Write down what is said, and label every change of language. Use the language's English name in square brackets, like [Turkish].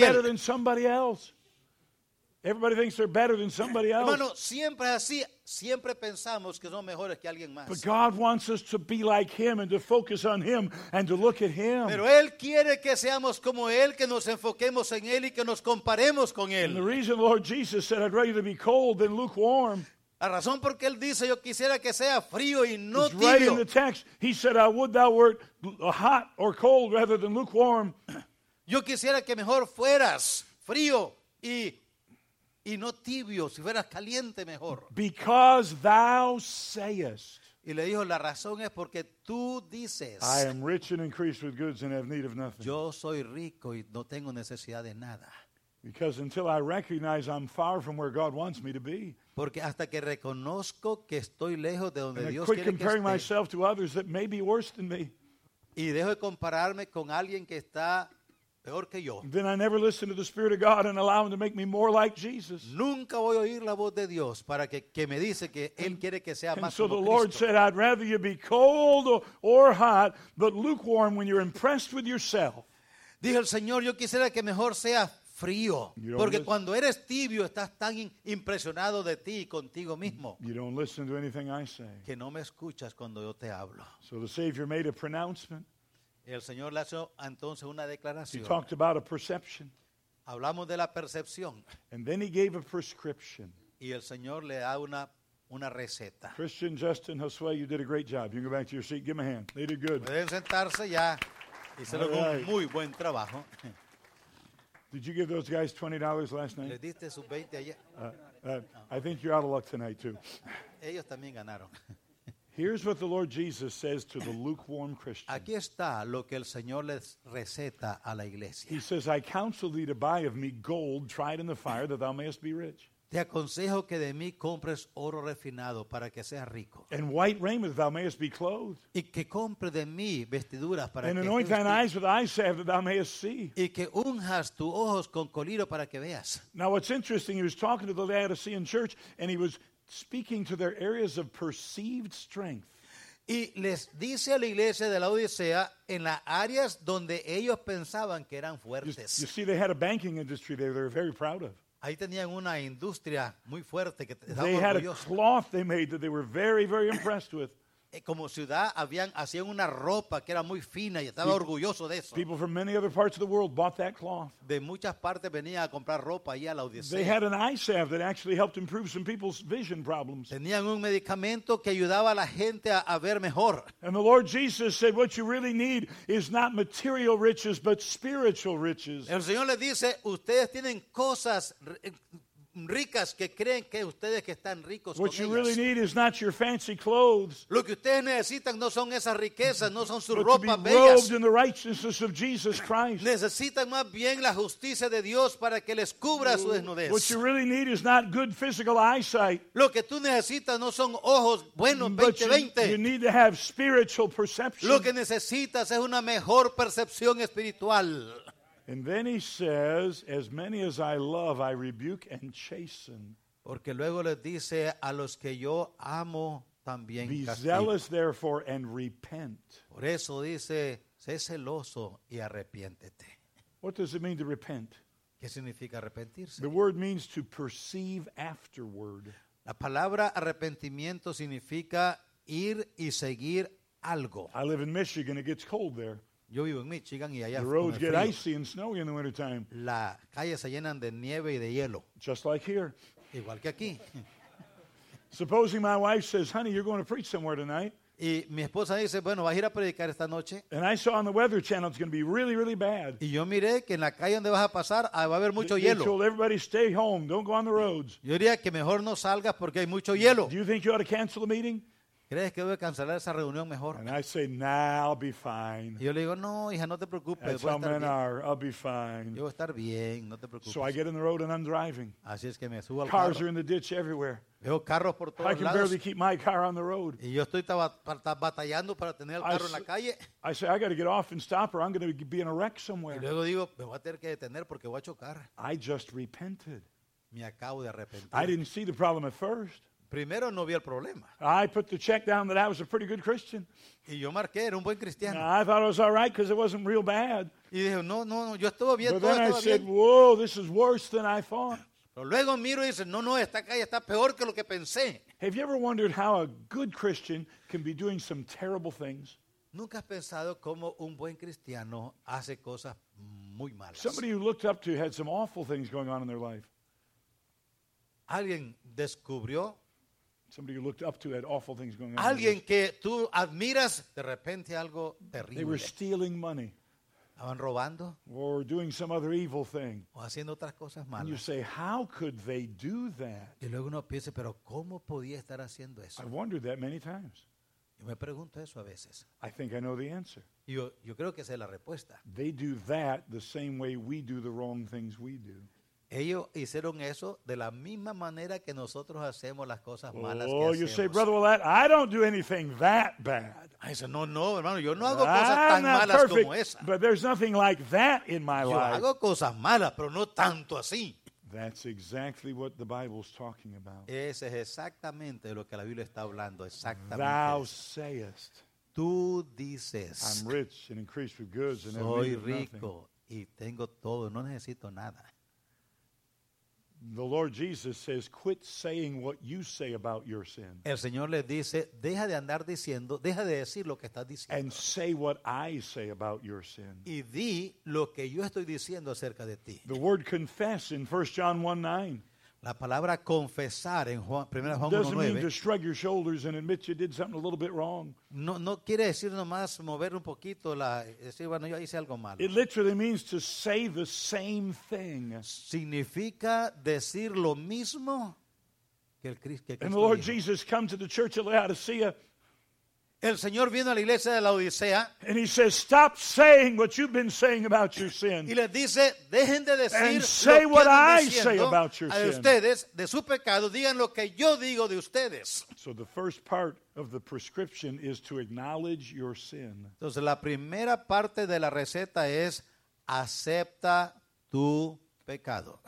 [English] Better than somebody else. Everybody thinks they're better than somebody else. [Spanish] Hermano, siempre así, siempre pensamos que son mejores que alguien más. [English] But God wants us to be like him and to focus on him and to look at him. [Spanish] Pero él quiere que seamos como él, que nos enfoquemos en él y que nos comparemos con él. [English] And the reason the Lord Jesus said, I'd rather be cold than lukewarm. [Spanish] La razón por qué él dice yo quisiera que sea frío y no tibio. [English] Right in the text, he said, "I would thou wert hot or cold rather than lukewarm." [Spanish] Yo quisiera que mejor fueras frío y no tibio, si fueras caliente mejor. [English] Because thou sayest. [Spanish] Y le dijo, la razón es porque tú dices. [English] I am rich and increased with goods and have need of nothing. [Spanish] Yo soy rico y no tengo necesidad de nada. [English] Because until I recognize I'm far from where God wants me to be. [Spanish] Porque hasta que reconozco que estoy lejos de donde Dios quiere que esté. [English] Comparing myself to others that may be worse than me. [Spanish] Y dejo de compararme con alguien que está peor que yo. [English] Then I never listen to the Spirit of God and allow Him to make me more like Jesus. [Spanish] Nunca voy a oír la voz de Dios para que me dice que Él quiere que sea más como [English] Cristo. And so the Lord said, I'd rather you be cold or hot, but lukewarm when you're impressed with yourself. [Spanish] Dijo el Señor, yo quisiera que mejor sea frío, porque cuando eres tibio estás tan impresionado de ti y contigo mismo. [English] You don't listen to anything I say. [Spanish] Que no me escuchas cuando yo te hablo. [English] So the Savior made a pronouncement. [Spanish] El Señor le hizo entonces una declaración. [English] He talked about a perception. [Spanish] Hablamos de la percepción. [English] And then he gave a prescription. [Spanish] Y el Señor le da una receta. [English] Christian, Justin, Josué, you did a great job. You can go back to your seat. Give him a hand. They did good. [Spanish] Pueden sentarse ya. Hicieron un muy buen trabajo. [English] Did you give those guys $20 last night? [Spanish] Le diste sus 20 ayer. [English] I think you're out of luck tonight too. [Spanish] Ellos también ganaron. [English] Here's what the Lord Jesus says to the lukewarm Christian. [Spanish] Aquí está lo que el Señor les receta a la iglesia. [English] He says, I counsel thee to buy of me gold tried in the fire that thou mayest be rich. [Spanish] Te aconsejo que de mí compres oro refinado para que seas rico. [English] And white raiment thou mayest be clothed. [Spanish] Y que compre de mí vestiduras para [English] and anoint thine eyes with eye salve that thou mayest see. [Spanish] Y que unjas tus ojos con colirio para que veas. [English] Now what's interesting, he was talking to the Laodicean church and he was speaking to their areas of perceived strength. [Spanish] Y les dice a la iglesia de la Odisea en las áreas donde ellos pensaban que eran fuertes. [English] You see, they had a banking industry there they were very proud of. [Spanish] Ahí tenían una industria muy fuerte que estaban orgullosos. [English] Had a cloth they made that they were very, very impressed with. [Spanish] Como ciudad hacían una ropa que era muy fina y estaba orgulloso de eso. [English] People from many other parts of the world bought that cloth. [Spanish] De muchas partes venía a comprar ropa ahí a la Odisea. [English] They had an eye salve that actually helped improve some people's vision problems. [Spanish] Tenían un medicamento que ayudaba a la gente a ver mejor. [English] And the Lord Jesus said, what you really need is not material riches, but spiritual riches. [Spanish] El Señor les dice, ustedes tienen cosas ricas que creen que ustedes que están ricos. [English] What you really need is not your fancy clothes. [Spanish] Lo que ustedes necesitan no son esas riquezas, no son sus ropas bellas. [English] But to be robed in the righteousness of Jesus Christ. [Spanish] Necesitan más bien la justicia de Dios para que les cubra su desnudez. [English] What you really need is not good physical eyesight. [Spanish] Lo que tú necesitas no son ojos buenos 20/20. [English] You need to have spiritual perception. [Spanish] Lo que necesitas es una mejor percepción espiritual. [English] And then he says, as many as I love, I rebuke and chasten. [Spanish] Porque luego les dice, a los que yo amo, también [English] be [Spanish] castigo. [English] Zealous, therefore, and repent. [Spanish] Por eso dice, sé celoso y arrepiéntete. [English] What does it mean to repent? [Spanish] ¿Qué significa arrepentirse? [English] The word means to perceive afterward. [Spanish] La palabra arrepentimiento significa ir y seguir algo. [English] I live in Michigan. It gets cold there. [Spanish] Yo vivo en Michigan y allá [English] the roads get [Spanish] frío. [English] Icy and snowy in the wintertime. [Spanish] La calle se llenan de nieve y de hielo. [English] Just like here. [Spanish] Igual que aquí. [English] Supposing my wife says, honey, you're going to preach somewhere tonight. [Spanish] Y mi esposa dice, bueno, vas a ir a predicar esta noche. [English] And I saw on the Weather Channel it's going to be really, really bad. [Spanish] Y yo miré que en la calle donde vas a pasar va a haber mucho hielo. [English] They told everybody stay home, don't go on the roads. [Spanish] Yo diría que mejor no salgas porque hay mucho hielo. [English] Do you think you ought to cancel the meeting? [Spanish] ¿Crees que voy a cancelar esa reunión mejor? [English] And I say, nah, I'll be fine. [Spanish] Y yo le digo, no, hija, no te preocupes. [English] That's how men are. I'll be fine. [Spanish] Yo voy a estar bien, no te preocupes. [English] So I get in the road and I'm driving. [Spanish] Así es que me subo al carro. [English] Cars are in the ditch everywhere. [Spanish] Veo carros por todos lados. [English] I can barely keep my car on the road. [Spanish] Y yo estoy batallando para tener el carro en la calle. [English] I say, I got to get off and stop or I'm going to be in a wreck somewhere. [Spanish] Y luego digo, me voy a tener que detener porque voy a chocar. [English] I just repented. [Spanish] Me acabo de arrepentir. [English] I didn't see the problem at first. [Spanish] Primero no vi el problema. [English] I put the check down that I was a pretty good Christian. [Spanish] Y yo marqué, era un buen cristiano. [English] Now, I thought it was all right because it wasn't real bad. [Spanish] Y dije, no, yo estaba bien. [English] But then [Spanish] estaba [English] I said, [Spanish] bien. [English] Whoa, this is worse than I thought. [Spanish] Pero luego miro y dice, no, esta calle está peor que lo que pensé. [English] Have you ever wondered how a good Christian can be doing some terrible things? [Spanish] ¿Nunca has pensado cómo un buen cristiano hace cosas muy malas? [English] Somebody you looked up to had some awful things going on in their life. [Spanish] Alguien descubrió [English] Somebody you looked up to had awful things going on. [Spanish] Alguien que tú admiras, de repente algo terrible. [English] They were stealing money. [Spanish] Estaban robando. [English] Or doing some other evil thing. [Spanish] O haciendo otras cosas malas. [English] And you say, how could they do that? [Spanish] Y luego uno piensa, pero ¿cómo podía estar haciendo eso? [English] I've wondered that many times. [Spanish] Yo me pregunto eso a veces. [English] I think I know the answer. [Spanish] Yo creo que esa es la respuesta. [English] They do that the same way we do the wrong things we do. [Spanish] Ellos hicieron eso de la misma manera que nosotros hacemos las cosas malas oh, que hacemos. [English] Oh, you say, brother, well, I don't do anything that bad. I said, [Spanish] no, hermano, yo no hago cosas tan malas [English] perfect, [Spanish] como esa. [English] But there's nothing like that in my [Spanish] yo [English] life. [Spanish] Yo hago cosas malas, pero no tanto así. [English] That's exactly what the Bible's talking about. [Spanish] Ese es exactamente lo que la Biblia está hablando, exactamente. [English] Thou sayest. [Spanish] Tú dices. [English] I'm rich and increased with goods and have nothing. [Spanish] Soy rico y tengo todo, no necesito nada. [English] The Lord Jesus says, quit saying what you say about your sin. [Spanish] El Señor les dice, deja de andar diciendo, deja de decir lo que estás diciendo. [English] And say what I say about your sin. [Spanish] Y di lo que yo estoy diciendo acerca de ti. [English] The word confess in 1 John 1:9. [Spanish] La palabra confesar en Juan, 1 Juan [English] Doesn't mean to shrug your shoulders and admit you did something a little bit wrong. [Spanish] No quiere decir nomás mover un poquito la decir bueno yo hice algo malo. [English] It literally means to say the same thing. [Spanish] Significa decir lo mismo que el Cristo que Cristo. [English] And the Lord Jesus comes to the church of Laodicea. [Spanish] El Señor vino a la iglesia de la Odisea. [English] And he says, stop saying what you've been saying about your sin. [Spanish] Y les dice, dejen de decir [English] and say [Spanish] lo [English] what [Spanish] que [English] I say about your sin. [Spanish] A ustedes, de su pecado, digan lo que yo digo de ustedes. [English] So the first part of the prescription is to acknowledge your sin. [Spanish] Entonces la primera parte de la receta es, acepta tu pecado.